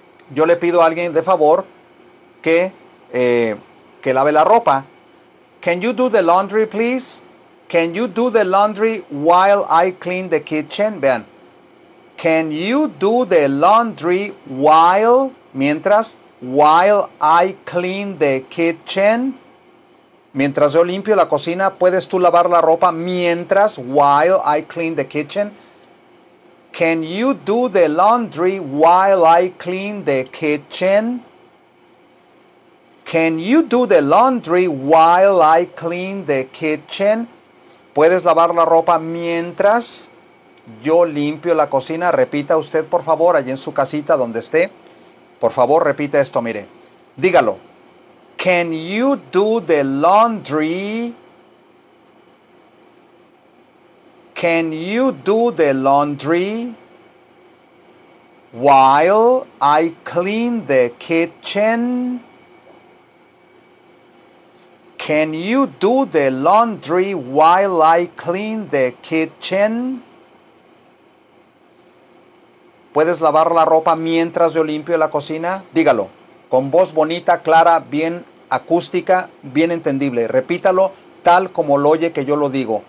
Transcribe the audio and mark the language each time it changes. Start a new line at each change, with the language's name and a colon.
Spanish: Yo le pido a alguien de favor que lave la ropa.
English: Can you do the laundry, please? Can you do the laundry while I clean the kitchen? Vean. Can you do the laundry while, mientras, while I clean the kitchen?
Spanish: Mientras yo limpio la cocina, ¿puedes tú lavar la ropa mientras,
English: while I clean the kitchen? Can you do the laundry while I clean the kitchen? Can you do the laundry while I clean the kitchen?
Spanish: ¿Puedes lavar la ropa mientras yo limpio la cocina? Repita usted, por favor, allí en su casita, donde esté. Por favor, repita esto, mire. Dígalo.
English: Can you do the laundry? Can you do the laundry while I clean the kitchen? Can you do the laundry while I clean the kitchen?
Spanish: ¿Puedes lavar la ropa mientras yo limpio la cocina? Dígalo, con voz bonita, clara, bien acústica, bien entendible. Repítalo tal como lo oye que yo lo digo.